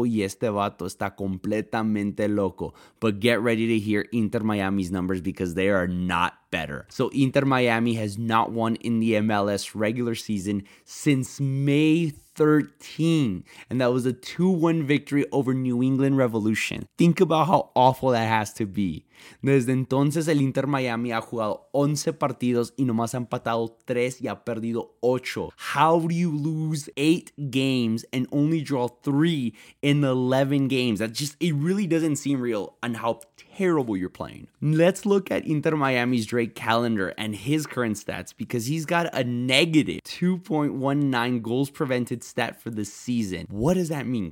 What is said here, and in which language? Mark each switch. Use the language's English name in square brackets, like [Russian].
[Spanish] Y este vato está completamente loco. [English] But get ready to hear Inter Miami's numbers, because they are not better. So Inter Miami has not won in the MLS regular season since May 13. And that was a 2-1 victory over New England Revolution. Think about how awful that has to be. [Spanish] Desde entonces, el Inter Miami ha jugado 11 partidos y nomás ha empatado 3 y ha perdido 8. [English] How do you lose 8 games and only draw 3 in 11 games? That just, it really doesn't seem real on how terrible you're playing. Let's look at Inter Miami's Drake calendar and his current stats, because he's got a negative 2.19 goals prevented stat for the season. What does that mean?